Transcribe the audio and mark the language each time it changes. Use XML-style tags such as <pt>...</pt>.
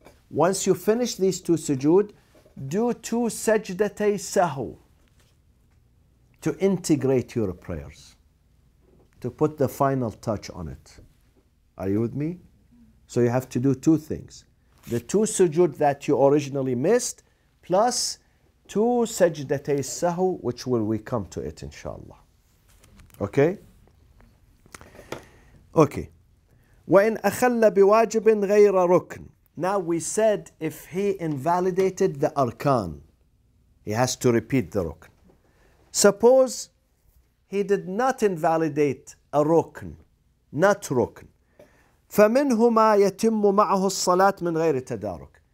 <en>Once you finish these two sujood, do two sajdatay sahu to integrate your prayers, to put the final touch on it. Are you with me? So you have to do two things. The two sujood that you originally missed, plus two sajdatay sahu, which will we come to it, inshallah. Okay? Okay.</en> <ar>وَإِنْ أَخَلَّ بِوَاجِبٍ غَيْرَ رُكْنٍ</ar> <en>Now we said if he invalidated the arkan, he has to repeat the rukn. Suppose he did not invalidate a rukn, not rukn.</en> <ar>فَمِنْهُمَا يَتِمُّ مَعَهُ الصَّلَاةِ مِنْ غَيْرِ تَدَارُكِ.</ar>